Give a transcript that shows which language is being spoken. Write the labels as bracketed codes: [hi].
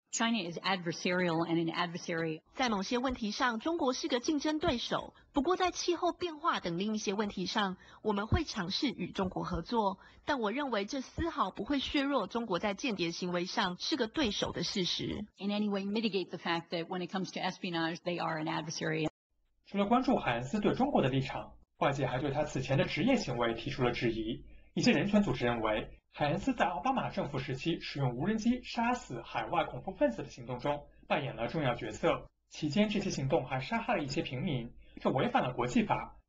[en] China is adversarial and an adversary. [zh] 在某些问题上，中国是个竞争对手，不过在气候变化等另一些问题上，我们会尝试与中国合作，但我认为这丝毫不会削弱中国在间谍行为上是个对手的事实。 [en] In any way mitigate the fact that when it comes to espionage, they are an adversary. [zh] 除了关注海恩斯对中国的立场，外界还对他此前的职业行为提出了质疑。一些人权组织认为，海恩斯在奥巴马政府时期使用无人机杀死海外恐怖分子的行动中扮演了重要角色，期间这些行动还杀害了一些平民，这违反了国际法。